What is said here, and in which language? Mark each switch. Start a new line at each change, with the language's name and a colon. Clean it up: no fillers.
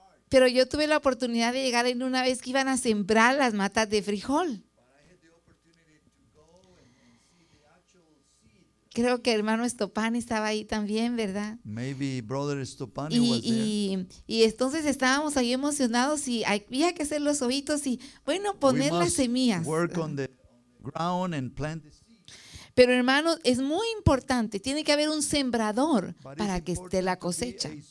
Spanish: Pero yo tuve la oportunidad de llegar en una vez que iban a sembrar las matas de frijol. Creo que hermano Estopán estaba ahí también, ¿verdad?
English: Maybe brother Estopán y, was there.
Spanish: Y entonces estábamos ahí emocionados y había que hacer los ojitos y, bueno, poner las semillas.
English: Work on the ground and plant the seed.
Spanish: Pero hermano, es muy importante, tiene que haber un sembrador para que esté la cosecha.